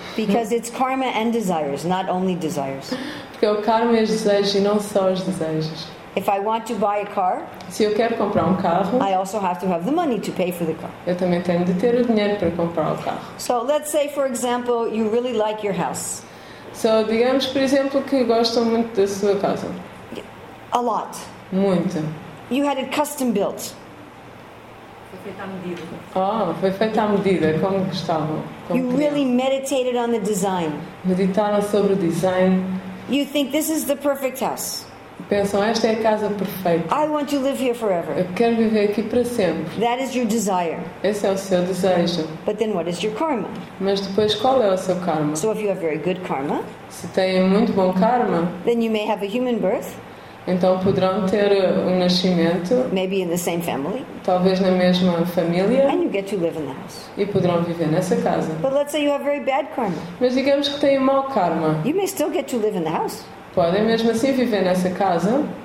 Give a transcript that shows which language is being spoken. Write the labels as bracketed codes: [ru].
[en] Because it's karma and desires, not only desires. [pt] Porque o karma é os desejos e não só os desejos. [en] If I want to buy a car, [pt] se eu quero comprar carro, [en] I also have to have the money to pay for the car. [pt] Eu também tenho de ter o dinheiro para comprar o carro. [en] So let's say, for example, you really like your house. [pt] So digamos, por exemplo, que gostam muito da sua casa. [en] A lot. [pt] Muito. [en] You had it custom built. [pt] Foi feita à medida. Ah, foi feita à medida, como gostavam. Como [en] you really meditated on the design. [pt] Meditaram sobre o design. [en] You think this is the perfect house. [pt] Pensam, esta é a casa perfeita. [en] I want to live here forever. [pt] Eu quero viver aqui para sempre. [en] That is your desire. [pt] Esse é o seu desejo. [en] But then what is your karma? [pt] Mas depois qual é o seu karma? [en] So if you have very good karma, [pt] se têm muito bom karma, [en] then you may have a human birth. [pt] Então poderão ter um nascimento. [en] Maybe in the same family. [pt] Talvez na mesma família. [en] And you get to live in the house. [pt] E poderão viver nessa casa. [en] But let's say you have very bad karma. [pt] Mas digamos que têm mau karma. [en] You may still get to live in the house. [pt] Podem mesmo assim viver nessa casa.